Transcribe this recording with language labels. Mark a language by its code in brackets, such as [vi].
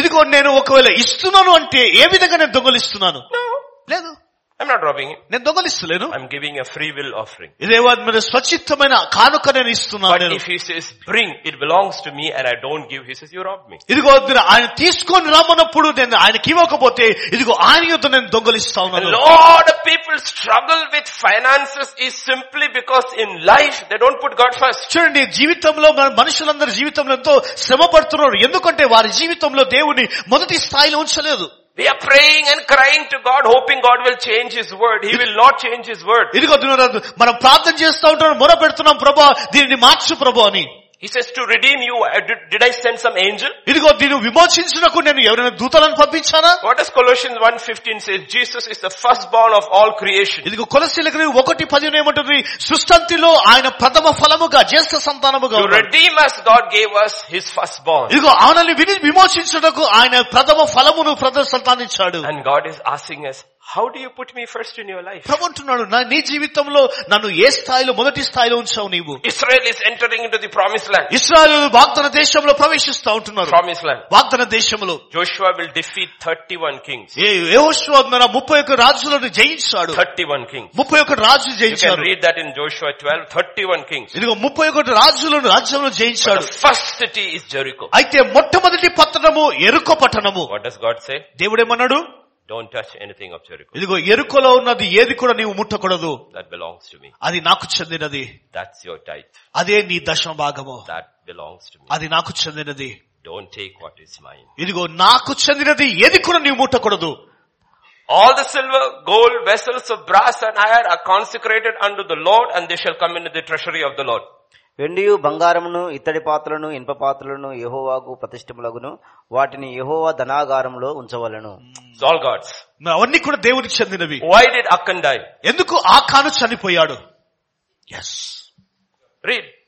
[te] ఇదిగో నేను ఒకవేళ ఇస్తున్నాను అంటే ఏ విధంగా నేను దొంగలిస్తున్నాను? లేదు. [en] I'm not robbing him. [te] నేను దొంగలిస్తలేను. [en] I'm giving a free will offering. [te] ఇదేవాడు మీరు స్వచ్ఛితమైన కానుక నేను ఇస్తున్నాను. [en] But if he says bring, it belongs to me and I don't give, he says you rob me. [te] ఇదిగో మీరు ఆయన తీసుకొని రమ్మన్నప్పుడు నేను ఆయనకి ఇవ్వకపోతే ఇదిగో ఆయన యొద్ద నేను దొంగలిస్తా ఉన్నాను. [en] A lot of people struggle with finances is simply because in life they don't put God first. [te] చూడండి జీవితంలో మనుషులందరి జీవితంలో ఎంతో శ్రమ పడుతున్నారు ఎందుకంటే వారి జీవితంలో దేవుని మొదటి స్థాయిలో ఉంచలేదు. [en] We are praying and crying to God, hoping God will change His word. He will not change His word. [te] ఇదిగో దినరాదు మనం ప్రార్థన చేస్తూ ఉంటాం మొర పెడుతున్నాం ప్రభువా దీనిని మార్చు ప్రభువా అని. [en] He says to redeem you, did I send some angel? [te] ఇదిగో దీని విమోచించునకు నేను ఎవరిని దూతలను పంపించానా? [en] What does Colossians 1:15 says? Jesus is the firstborn of all creation. [te] ఇదిగో కొలొస్సీయులకు 1:15 ఏమంటుంది? సృష్టింతిలో ఆయన ప్రథమ ఫలముగా జ్యేష్ఠ సంతానముగా. [en] To redeem us, God gave us His firstborn. [te] ఇదిగో ఆయనని విమోచించునకు ఆయన ప్రథమ ఫలమును ప్రథమ సంతానించాడు. [en] And God is asking us, how do you put me first in your life? [te] ప్రభుంటున్నాడు నా నీ జీవితంలో నన్ను ఏ స్థాయిలో మొదటి స్థాయిలో ఉంచావు నీవు. [en] Israel is entering into the promised land. [te] ఇశ్రాయేలు వాగ్దాన దేశంలో ప్రవేశిస్తా ఉంటున్నారు. [en] Promised land. [te] వాగ్దాన దేశంలో. [en] Joshua will defeat 31 kings. [te] యెహోషువ 31 రాజులను జయించాడు. [en] 31 kings. [te] 31 రాజులను జయించాడు. [en] You can read that in Joshua 12. 31 kings. [te] ఇదిగో 31 రాజులను రాజ్యంలో జయించాడు. [en] The first city is Jericho. [te] అయితే మొట్టమొదటి పట్టణము యెరికో పట్టణము. [en] What does God say? [te] దేవుడు ఏమన్నాడు? [en] Don't touch anything of Jericho. [te] ఇది యెరికోలో ఉన్నది ఏది కూడా నీవు ముట్టకూడదు. [en] That belongs to me. [te] అది నాకు చెందినది. [en] That's your tithe. [te] అదే నీ దశమ భాగము. [en] That belongs to me. [te] అది నాకు చెందినది. [en] Don't take what is mine. [te] ఇదిగో నాకు చెందినది ఏది కూడా నీవు ముట్టకూడదు. [en] All the silver, gold, vessels of brass and iron are consecrated unto the Lord and they shall come into the treasury of the Lord. [te] వెండియు బంగారమును ఇత్తడి పాత్రలను ఇనుప పాత్రలను యెహోవాకు ప్రతిష్ఠములగును వాటిని యెహోవా ధనాగారంలో ఉంచవలెను. [en] all God's [te] అవన్నీ కూడా దేవునికి చెందినవి. [en] Why did Achan die? [te] ఎందుకు ఆకాను చనిపోయాడు? [en] Yes. Read.